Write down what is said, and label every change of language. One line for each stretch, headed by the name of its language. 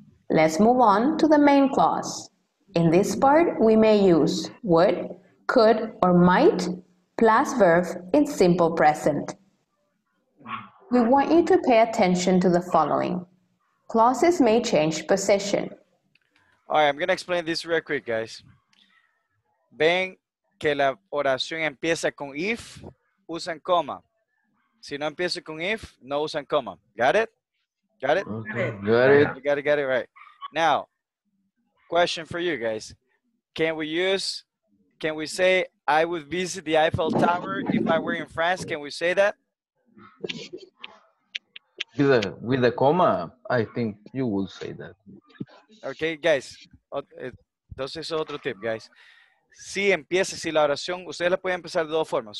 English: Let's move on to the main clause. In this part, we may use would, could, or might plus verb in simple present. We want you to pay attention to the following. Clauses may change position. All right, I'm gonna explain this real quick, guys.
Spanish: Ven que la oración empieza con if, usan coma. Si no empiezo con if, no usan coma.
English: Got it? Got it? Okay. Got it. Got it, right. Now, question for you guys. Can we say, I would visit the Eiffel Tower if I were in France? Can we say that? With a comma, I think you will say that. Okay, guys.
Spanish: Entonces, otro tip, guys. Si empieza, si la oración, ustedes la pueden empezar de dos formas.